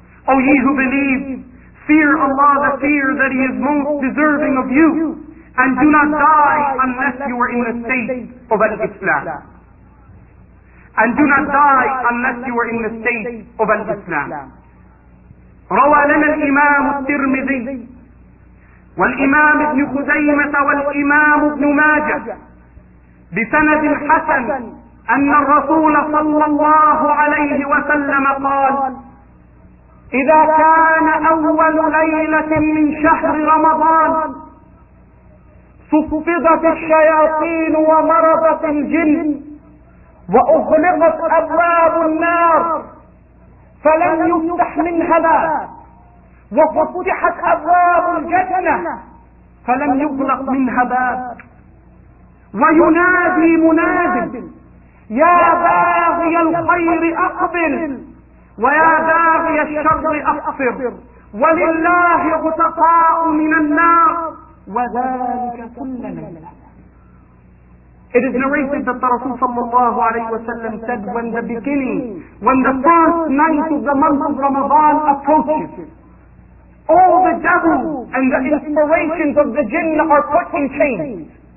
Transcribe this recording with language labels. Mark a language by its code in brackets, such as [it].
[en] O ye who believe, fear Allah the fear that He is most deserving of you. And do not die unless you are in the state of al-Islam. And do not die unless you are in the state of al-Islam. [ar] روى لنا الإمام الترمذي والإمام ابن خزيمة والإمام ابن ماجة بسند حسن أن الرسول صلى الله عليه وسلم قال إذا كان أول ليلة من شهر رمضان صفدت الشياطين ومرضت الجن وأغلقت أبواب النار فلم يفتح منها باب وفتحت أبواب الجنة فلم يغلق منها باب وينادي مناد يا باغي الخير أقبل ويا باغي الشر أقصر ولله غتقاء من النار وذلك كل ليلة. [en] It is narrated that the Rasul sallallahu alayhi wa sallam said, when the beginning, when the first night of the month of Ramadan approaches, all the devils and the inspirations of the jinn are put in chains.